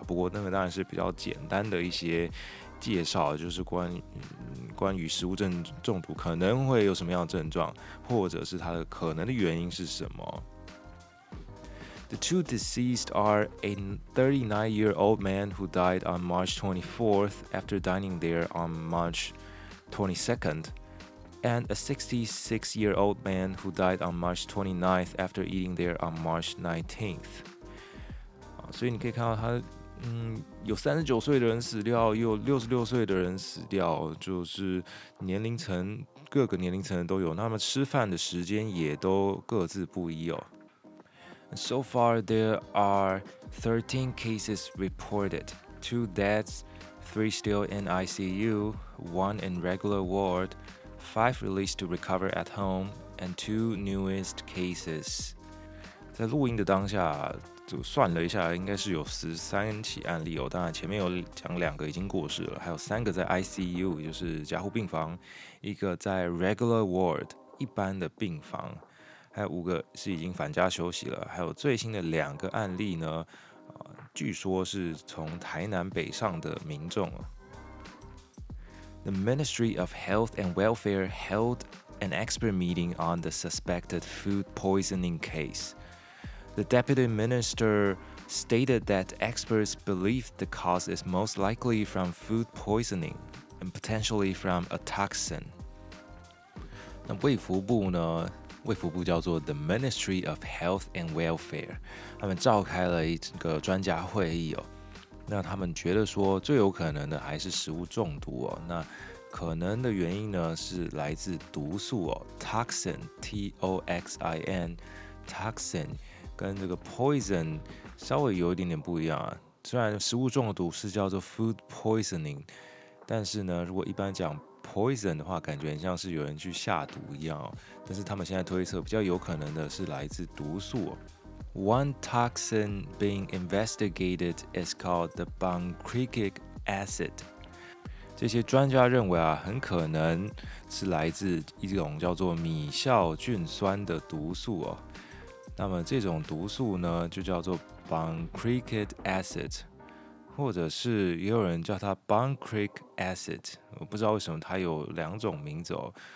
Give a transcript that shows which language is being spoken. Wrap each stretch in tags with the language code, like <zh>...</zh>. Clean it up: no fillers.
<zh>不过那个当然是比较简单的一些介绍，就是关于食物中毒可能会有什么样的症状，或者是它的可能的原因是什么。</zh> <en>The two deceased are a 39-year-old man who died on March 24th after dining there on March 22nd. And a 66-year-old man who died on March 29th after eating there on March 19th.</en> <zh>所以你可以看到他，有39岁的人死掉，也有66岁的人死掉，就是年龄层各个年龄层都有，那么吃饭的时间也都各自不一哦。</zh> <en>So far, there are 13 cases reported. Two deaths, three still in ICU, one in regular ward, five released to recover at home, and two newest cases.</en> <zh>在录音的当下，就算了一下，应该是有13起案例哦。当然，前面有讲两个已经过世了，还有三个在 ICU， 也就是加护病房，一个在 regular ward， 一般的病房。还有五个是已经返家休息了，还有最新的两个案例呢，据说是从台南北上的民众。</zh> <en>The Ministry of Health and Welfare held an expert meeting on the suspected food poisoning case. The deputy minister stated that experts believe the cause is most likely from food poisoning and potentially from a toxin.</en> <zh>那卫福部呢？卫福部叫做 The Ministry of Health and Welfare， 他们召开了一个专家会议哦。那他们觉得说最有可能的还是食物中毒哦。那可能的原因呢是来自毒素哦 ，toxin T O X I N toxin， 跟这个 poison 稍微有一点点不一样啊。虽然食物中毒是叫做 food poisoning， 但是呢，如果一般讲poison 的话，感觉很像是有人去下毒一样、哦。但是他们现在推测，比较有可能的是来自毒素、哦。</zh> <en>One toxin being investigated is called the benzoic acid。</en> <zh>这些专家认为啊，很可能是来自一种叫做米酵菌酸的毒素哦。那么这种毒素呢，就叫做 benzoic acid。或者是也有人叫它 benzoic acid， 我不知道为什么它有两种名字哦。</zh>